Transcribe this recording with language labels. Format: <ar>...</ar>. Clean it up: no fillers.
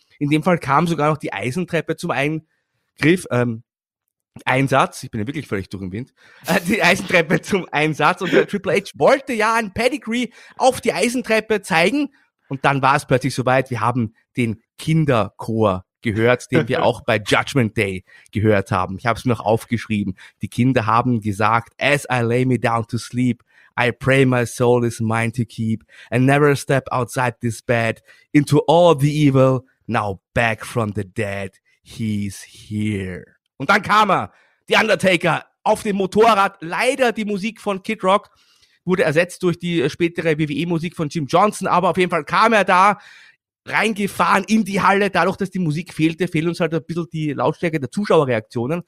<de>In dem Fall kam sogar noch die Eisentreppe zum Eingriff, Einsatz, ich bin ja wirklich völlig durch den Wind, die Eisentreppe zum Einsatz und der Triple H wollte ja ein Pedigree auf die Eisentreppe zeigen und dann war es plötzlich soweit, wir haben den Kinderchor gehört, den wir auch bei Judgment Day gehört haben. Ich habe es mir noch aufgeschrieben. Die Kinder haben gesagt,</de> <en>as I lay me down to sleep, I pray my soul is mine to keep and never step outside this bed into all the evil. Now back from the dead, he's here.</en> <de>Und dann kam er, The Undertaker, auf dem Motorrad. Leider die Musik von Kid Rock wurde ersetzt durch die spätere WWE-Musik von Jim Johnson, aber auf jeden Fall kam er da, reingefahren in die Halle. Dadurch, dass die Musik fehlte, fehlen uns halt ein bisschen die Lautstärke der Zuschauerreaktionen.</de>